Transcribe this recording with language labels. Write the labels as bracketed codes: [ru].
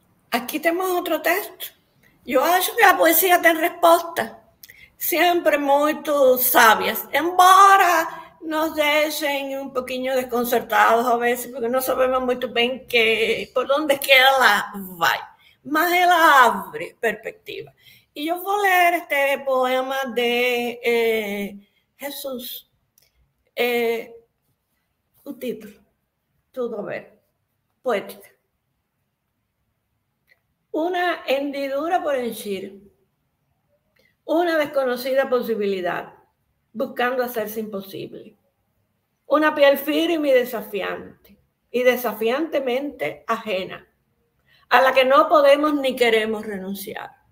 [es] Aquí tenemos otro texto. Yo acho que la poesía tiene respuesta. Siempre muy sabias. Embora nos dejen un poquito desconcertados a veces, porque no sabemos muy bien por dónde queda la vibe. [pt] Mas ela abre perspectiva. [es] Y yo voy a leer este poema de Jesús. Un título. Todo a ver. Poética. Una hendidura por henchir, una desconocida posibilidad, buscando hacerse imposible, una piel firme y desafiante, y desafiantemente ajena, a la que no podemos ni queremos renunciar.